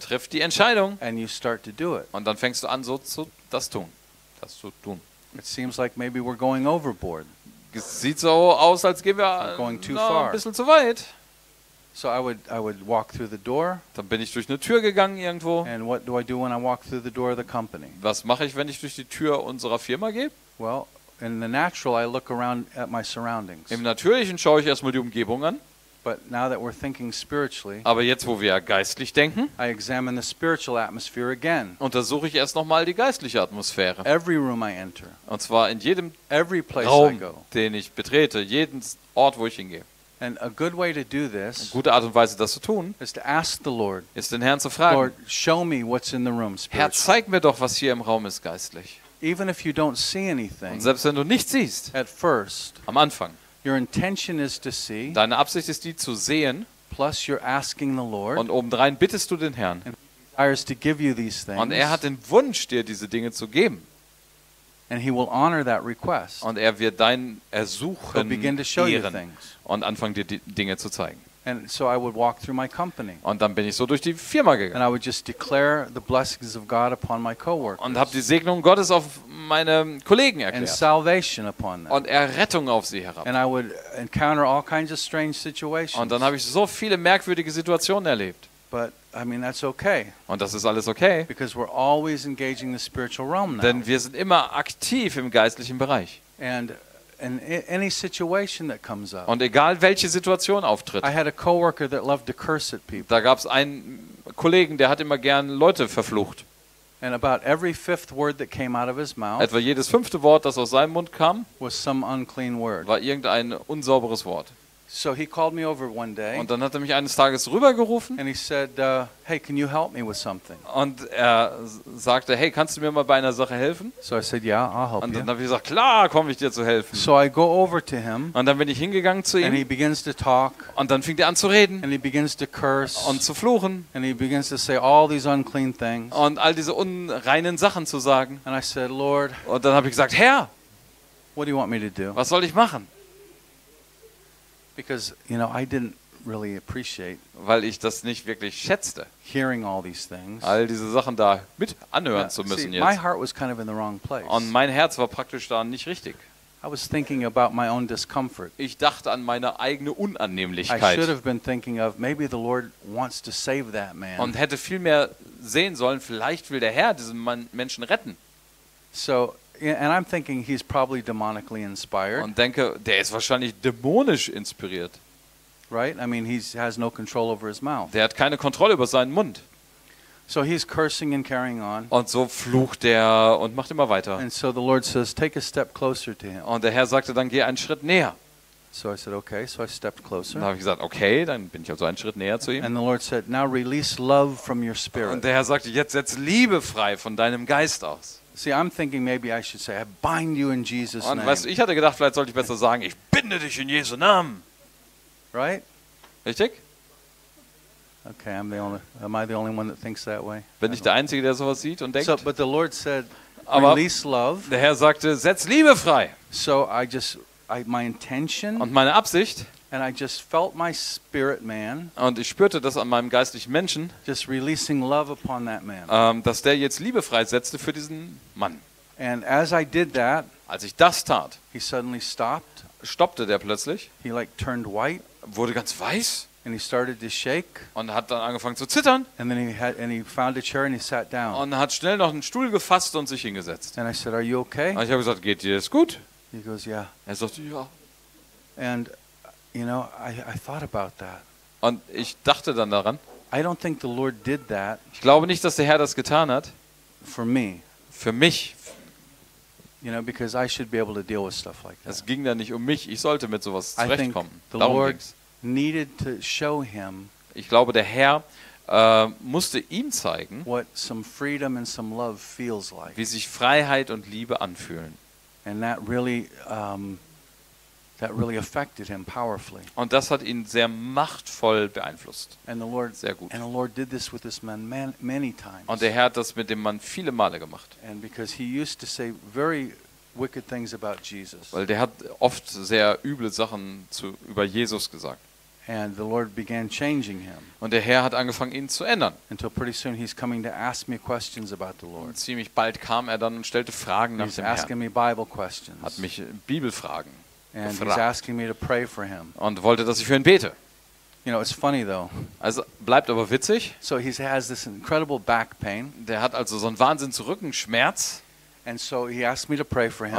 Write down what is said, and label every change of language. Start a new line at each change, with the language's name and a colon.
German: Triff die Entscheidung.
English: And you start to do it.
German: Und dann fängst du an so zu das tun. Das zu tun.
English: It seems like maybe we're going overboard.
German: Sieht so aus, als gehen wir
English: going too far.
German: Ein bisschen zu weit.
English: So I would walk through the door.
German: Dann bin ich durch eine Tür gegangen irgendwo.
English: And what do I do when I walk through the door of the company?
German: Was mache ich, wenn ich durch die Tür unserer Firma gehe?
English: Well, in the natural, I look around at my surroundings.
German: Im Natürlichen schaue ich erstmal die Umgebung an.
English: But now that we're thinking spiritually,
German: aber jetzt, wo wir geistlich denken,
English: I examine the spiritual atmosphere again.
German: Untersuche ich erst nochmal die geistliche Atmosphäre.
English: Every room I enter.
German: Und zwar in jedem
English: every place
German: Raum,
English: I go.
German: Den ich betrete, jeden Ort, wo ich hingehe.
English: And a good way to do this,
German: eine gute Art und Weise, das zu tun,
English: is to ask the Lord,
German: ist den Herrn zu fragen,
English: Lord, show me what's in the room spiritually.
German: Herr, zeig mir doch, was hier im Raum ist geistlich.
English: Even if you don't see anything,
German: und selbst wenn du nichts siehst,
English: at first,
German: am Anfang,
English: your intention is to see,
German: deine Absicht ist die zu sehen,
English: plus you're asking the Lord,
German: und obendrein bittest du den Herrn,
English: and he desires to give you these things,
German: und er hat den Wunsch, dir diese Dinge zu geben,
English: and he will honor that request,
German: und er wird dein Ersuchen
English: he'll begin to show
German: ehren
English: you things,
German: und anfangen, dir die Dinge zu zeigen.
English: And so I would walk through my company.
German: Und dann bin ich so durch die Firma gegangen.
English: And I would just declare the blessings of God upon my coworkers.
German: Und habe die Segnung Gottes auf meine Kollegen erklärt.
English: And salvation upon them.
German: Und Errettung auf sie herab.
English: And I would encounter all kinds of strange situations.
German: Und dann habe ich so viele merkwürdige Situationen erlebt.
English: But I mean that's okay.
German: Und das ist alles okay.
English: Because we're always engaging the spiritual realm now.
German: Denn wir sind immer aktiv im geistlichen Bereich.
English: And in any situation that comes up.
German: Und egal welche Situation auftritt.
English: I had a coworker that loved to curse at people.
German: Da gab's einen Kollegen, der hat immer gern Leute verflucht.
English: And about every fifth word that came out of his mouth.
German: Etwa jedes fünfte Wort, das aus seinem Mund kam,
English: was some unclean word.
German: War irgendein unsauberes Wort.
English: So he called me over one day.
German: Und dann hat er mich eines Tages rübergerufen.
English: And he said, "Hey, can you help me with something?"
German: Und er sagte, hey, kannst du mir mal bei einer Sache helfen?
English: So I said, "Yeah, I'll help you."
German: Und dann habe ich gesagt, klar, komme ich dir zu helfen.
English: So I go over to him.
German: Und dann bin ich hingegangen zu ihm.
English: And he begins to talk.
German: Und dann fing er an zu reden.
English: And he begins to curse.
German: Und zu fluchen.
English: And he begins to say all these unclean things.
German: Und all diese unreinen Sachen zu sagen.
English: And I said, "Lord."
German: Und dann habe ich gesagt, Herr,
English: what do you want me to do?
German: Was soll ich machen?
English: Because you know I didn't really appreciate,
German: weil ich das nicht wirklich schätzte,
English: hearing all these things,
German: all diese Sachen da mit anhören zu müssen.
English: See, my heart was kind of in the wrong place.
German: Und mein Herz war praktisch da nicht richtig.
English: I was thinking about my own discomfort.
German: Ich dachte an meine eigene Unannehmlichkeit.
English: I should have been thinking of maybe the Lord wants to save that man.
German: Und hätte viel mehr sehen sollen, vielleicht will der Herr diesen Menschen retten.
English: So, and I'm thinking he's probably demonically inspired.
German: Und denke, der ist wahrscheinlich dämonisch inspiriert.
English: Right? I mean, he's has no control over his mouth.
German: Der hat keine Kontrolle über seinen Mund.
English: So he's cursing and carrying on.
German: Und so flucht er und macht immer weiter.
English: And so the Lord says, take a step closer to him.
German: Und der Herr sagte dann, geh einen Schritt näher.
English: So I said, okay, so I stepped closer.
German: Dann habe ich gesagt, okay, dann bin ich also einen Schritt näher zu ihm.
English: And the Lord said, now release love from your spirit.
German: Und der Herr sagte, jetzt setz Liebe frei von deinem Geist aus.
English: See, I'm thinking maybe I should say, I bind you in Jesus' name.
German: Und weißt du, ich hatte gedacht, vielleicht sollte ich besser sagen, ich binde dich in Jesu Namen.
English: Right?
German: Richtig?
English: Okay, I'm the only, am I the only one that thinks that way?
German: Bin ich der Einzige, der sowas sieht und denkt?
English: So, but the Lord said, release love.
German: Der Herr sagte, setz Liebe frei.
English: So I just, I, my intention.
German: Und meine Absicht.
English: And I just felt my spirit man.
German: Und ich spürte das an meinem geistlichen Menschen.
English: Just releasing love upon that man.
German: Dass der jetzt Liebe freisetzte für diesen Mann.
English: And as I did that,
German: als ich das tat,
English: he suddenly stopped.
German: Stoppte der plötzlich.
English: He like turned white.
German: Wurde ganz weiß.
English: And he started to shake.
German: Und hat dann angefangen zu zittern.
English: And then he found a chair and he sat down.
German: Und hat schnell noch einen Stuhl gefasst und sich hingesetzt.
English: And I said, "Are you okay?"
German: Und ich habe gesagt, geht dir das gut?
English: He goes, "Yeah."
German: Er sagte, ja.
English: And you know, I thought about that.
German: Und ich dachte dann daran.
English: I don't think the Lord did that.
German: Ich glaube nicht, dass der Herr das getan hat.
English: For me.
German: Für mich.
English: You know, because I should be able to deal with stuff like that.
German: Es ging da nicht um mich. Ich sollte mit sowas zurechtkommen.
English: I think the Lord needed to show him.
German: Ich glaube, der Herr musste ihm zeigen,
English: what some freedom and some love feels like.
German: Wie sich Freiheit und Liebe anfühlen.
English: And that really that really affected him powerfully.
German: Und das hat ihn sehr machtvoll beeinflusst.
English: And the Lord,
German: sehr gut.
English: And the Lord did this with this man many times.
German: Und der Herr hat das mit dem Mann viele Male gemacht.
English: And because he used to say very wicked things about Jesus.
German: Weil der hat oft sehr üble Sachen über Jesus gesagt.
English: And the Lord began changing him.
German: Und der Herr hat angefangen, ihn zu ändern.
English: Until pretty soon he's coming to ask me questions about the Lord.
German: Und ziemlich bald kam er dann und stellte Fragen nach dem Herrn.
English: He's asking me Bible questions.
German: Hat mich Bibelfragen.
English: And he's asking me to pray for him.
German: Und wollte, dass ich für ihn bete.
English: You know, it's funny though.
German: Also bleibt aber witzig.
English: So he has this incredible back pain.
German: Der hat also so einen wahnsinnigen Rückenschmerz.
English: And so he asked me to pray for him.